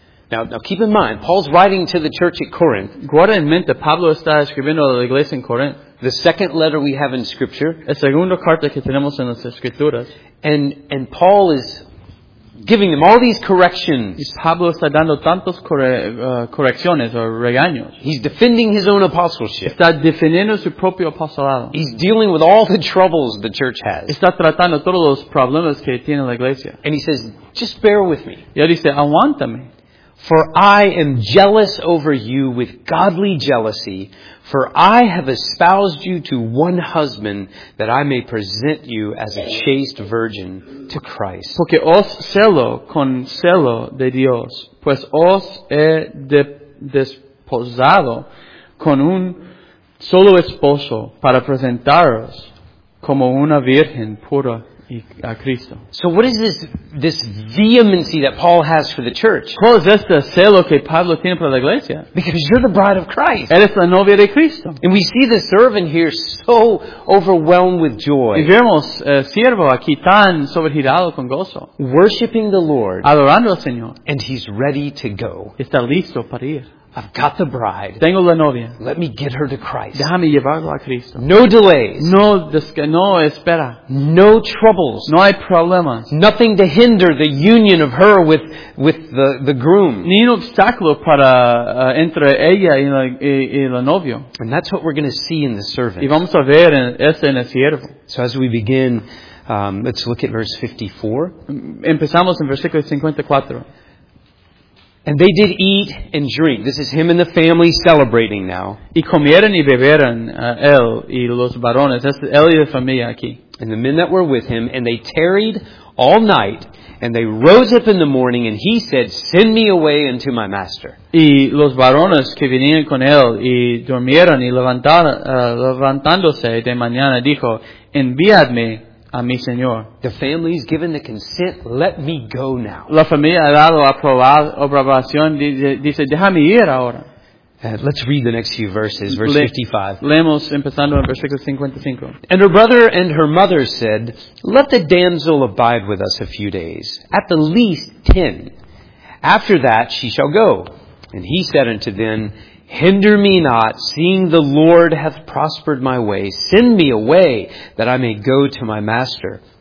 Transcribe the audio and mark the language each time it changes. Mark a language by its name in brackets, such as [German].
[English] Now keep in mind, Paul's writing to the church at Corinth. [Spanish] Guarda en mente, Pablo está escribiendo a la iglesia en Corinth. [English] The second letter we have in Scripture. [Spanish] La segunda carta que tenemos en las Escrituras. [English] And Paul is giving them all these corrections. [Spanish] Y Pablo está dando tantos correcciones o regaños. [English] He's defending his own apostleship. [Spanish] Está defendiendo su propio apostolado. [English] He's dealing with all the troubles the church has. [Spanish] Está tratando todos los problemas que tiene la iglesia. [English] And he says, just bear with me. [Spanish] Y él dice, aguántame. [English] For I am jealous over you with godly jealousy, for I have espoused you to one husband, that I may present you as a chaste virgin to Christ. [Spanish] Porque os celo con celo de Dios, pues os he desposado con un solo esposo para presentaros como una virgen pura. [English] So what is this vehemency that Paul has for the church? [Spanish] ¿Cuál es este celo que Pablo tiene para la iglesia? [English] Because you're the bride of Christ. [Spanish] Eres la novia de Cristo. [English] And we see the servant here so overwhelmed with joy. [Spanish] Y vemos siervo aquí tan sobregirado con gozo. [English] Worshipping the Lord. [Spanish] Adorando al Señor. [English] And he's ready to go. [Spanish] Está listo para ir. [English] I've got the bride. [Spanish] Tengo la novia. [English] Let me get her to Christ. [Spanish] Déjame llevarla a Cristo. [English] No delays. [Spanish] No espera. [English] No troubles. [Spanish] No hay problemas. [English] Nothing to hinder the union of her with the groom. [Spanish] Ni un obstáculo para entre ella y la novio. [English] And that's what we're going to see in the servant. [Spanish] Y vamos a ver eso en el siervo. [English] So as we begin, let's look at verse 54. [Spanish] Empezamos en versículo 54. [English] And they did eat and drink. This is him and the family celebrating now. [Spanish] Y comieron y beberon él y los varones. Es él y la familia aquí. [English] And the men that were with him, and they tarried all night, and they rose up in the morning, and he said, send me away unto my master. [Spanish] Y los varones que venían con él y durmieron y levantándose de mañana dijo, envíadme. A mi señor. [English] The family has given the consent. Let me go now. [Spanish] La familia ha dado aprobación. Dice, déjame ir ahora. [English] Let's read the next few verses. Verse 55. [Spanish] Leemos empezando en versículo 55. [English] And her brother and her mother said, let the damsel abide with us a few days, at the least 10. After that she shall go. And he said unto them, hinder me not, seeing the Lord hath prospered my way. Send me away, that I may go to my master.